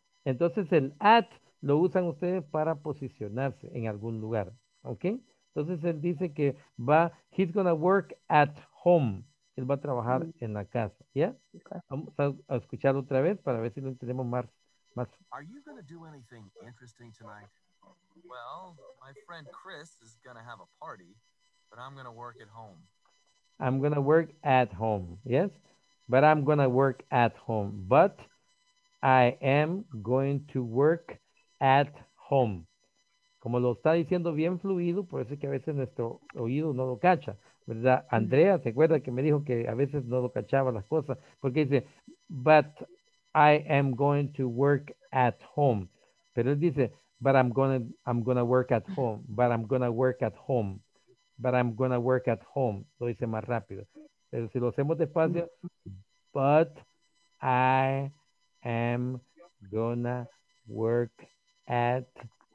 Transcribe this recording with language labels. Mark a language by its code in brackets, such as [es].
[es] Entonces el at lo usan ustedes para posicionarse en algún lugar. [en] Okay? [es] Entonces él dice que va, [en] he's gonna work at home. [es] Él va a trabajar en la casa, ¿ya? [en] Okay. [es] Vamos a escuchar otra vez para ver si lo entendemos más. [en] Are you gonna do anything interesting tonight? Well, my friend Chris is gonna have a party, but I'm gonna work at home. I'm gonna work at home, yes? But I'm gonna work at home. But I am going to work at home. [es] Como lo está diciendo bien fluido, por eso es que a veces nuestro oído no lo cacha, ¿verdad? Andrea, ¿se acuerda que me dijo que a veces no lo cachaba las cosas? Porque dice, [en] but I am going to work at home. [es] Pero él dice, [en] but I'm gonna work at home. But I'm gonna work at home. But I'm gonna work at home. [es] Lo dice más rápido. Pero si lo hacemos despacio, [en] but I am gonna work at home.